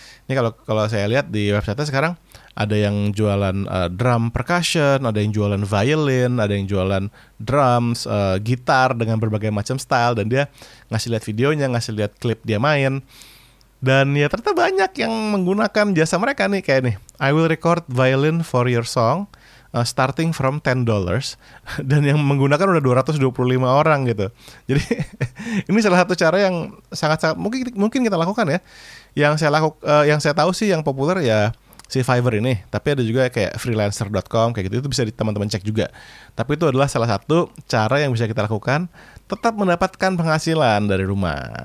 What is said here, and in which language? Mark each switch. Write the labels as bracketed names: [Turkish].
[Indonesian] Ini kalau saya lihat di website-nya sekarang, ada yang jualan drum percussion, ada yang jualan violin, ada yang jualan drums, gitar dengan berbagai macam style. Dan dia ngasih lihat videonya, ngasih lihat klip dia main. Dan ya ternyata banyak yang menggunakan jasa mereka nih. Kayak nih, [English] I will record violin for your song starting from $10. [Indonesian] Dan yang menggunakan udah 225 orang gitu. Jadi ini salah satu cara yang sangat-sangat mungkin kita lakukan ya. Yang saya tahu sih yang populer ya si Fiverr ini, tapi ada juga kayak freelancer.com kayak gitu, itu bisa teman-teman cek juga. Tapi itu adalah salah satu cara yang bisa kita lakukan tetap mendapatkan penghasilan dari rumah.